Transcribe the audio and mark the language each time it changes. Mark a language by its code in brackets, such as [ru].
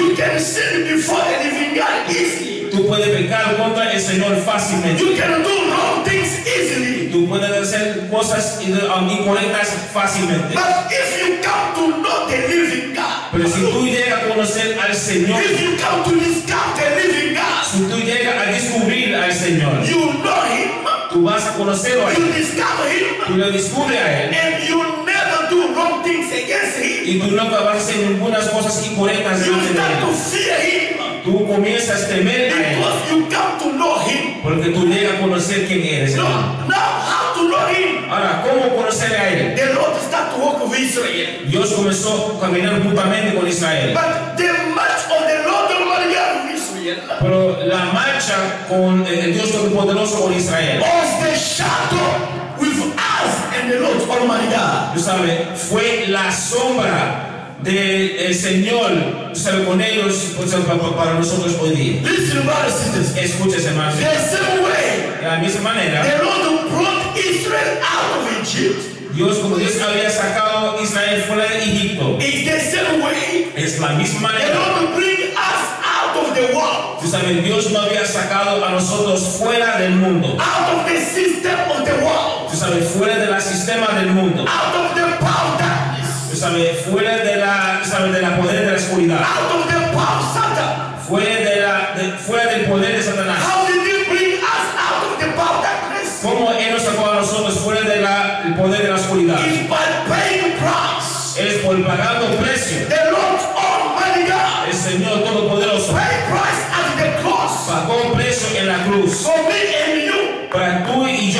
[en] You can sin before the living God easily. [es] Tú puedes pecar contra el Señor fácilmente. [en] You can do wrong things easily. [es] Tú puedes hacer cosas incorrectas fácilmente. [en] But if you come to know the living God, [es] pero si tú llegas a conocer al Señor, [en] if you come to discover the living God, [es] si tú llegas a descubrir al Señor, [en] you know him, [es] tú vas a conocerlo, [en] you discover him, [es] tú lo descubres a él, [en] and you never do wrong things against him, [es] y tú nunca vas a hacer ninguna cosa incorrecta. [en] You start to fear him. [es] Tú comienzas a temer a él. [en] Because you come to know him. [es] Porque tú llegas a conocer quién eres. [en] No, now how to know him. [es] Ahora, ¿cómo conocer a él? [en] The Lord start to walk with Israel. [es] Dios comenzó a caminar juntamente con Israel. [en] But the march of the Lord Almighty God with Israel. [es] Pero la marcha con el Dios Todopoderoso con Israel. [en] Was the shadow with us and the Lord Almighty God. [es] Tú sabes, fue la sombra del Señor, sabe, con ellos, para nosotros hoy día. [en] Listen, brothers, sisters. [es] Escuches, hermanos. [en] The same way. [es] De la misma manera. [en] The Lord brought Israel out of Egypt. [es] Dios, como Dios había sacado Israel fuera de Egipto. [en] It's the same way. [es] Es la misma manera. [en] The Lord bring us out of the world. [es] Sabe, Dios no había sacado a nosotros fuera del mundo. [en] Out of the system of the world. [es] Sabe, fuera del sistema del mundo. [en] Out of the power. [es] Sabe, fuera de la, sabe, de la poder de la oscuridad. [en] Out of the power of Satan. [es] Fuera del poder de Satanás. [en] How did he bring us out of the power of darkness? [es] ¿Cómo él nos sacó a nosotros fuera de la el poder de la oscuridad? [en] It's by paying price. [es] Es por pagando precio. [en] The Lord Almighty God. [es] El Señor Todopoderoso. [en] Pay price at the cross. [es] Pagó un precio en la cruz. [en] For me and you. [es] Para tú y yo.